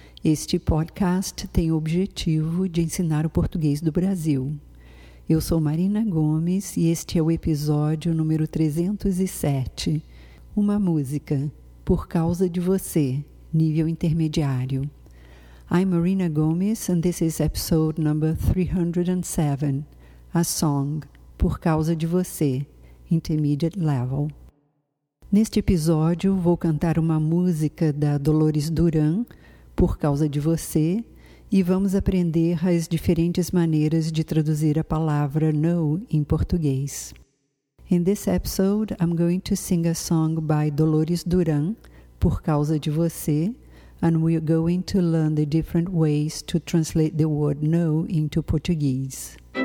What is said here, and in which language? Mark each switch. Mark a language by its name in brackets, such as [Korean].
[Portuguese] Este podcast tem o objetivo de ensinar o português do Brasil. Eu sou Marina Gomes e este é o episódio número 307. Uma música, Por Causa de Você, nível intermediário. [English] I'm Marina Gomes and this is episode number 307. A song, Por Causa de Você, intermediate level. [Portuguese] Neste episódio, vou cantar uma música da Dolores Duran, Por Causa de Você, e vamos aprender as diferentes maneiras de traduzir a palavra no em português. [English] In this episode, I'm going to sing a song by Dolores Duran, Por Causa de Você, and we're going to learn the different ways to translate the word no into Portuguese.